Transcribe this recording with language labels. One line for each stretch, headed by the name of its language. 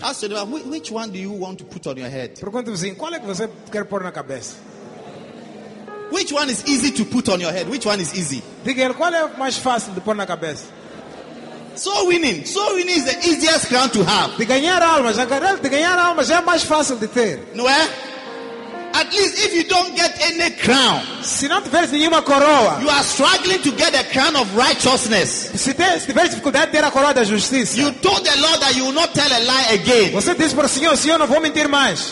English: Ask the neighbor, which one do you want to put on your head?
Portuguese: Pergunta ao vizinho, qual é que você quer pôr na cabeça?
English: Which one is easy to put on your head? Which one is easy?
Portuguese: Diga-lhe, qual é mais fácil de pôr na cabeça?
English: Soul winning is the easiest crown to have.
Portuguese: De ganhar almas é mais fácil de ter. Não é?
English: At least if you don't get any crown.
Portuguese: Se não tiveres nenhuma coroa.
English: You are struggling to get a crown of righteousness.
Portuguese: Se tiveres dificuldade de ter a coroa da justiça.
English: You told the Lord that you will not tell a lie again.
Portuguese: Você disse para o Senhor, não vou mentir mais.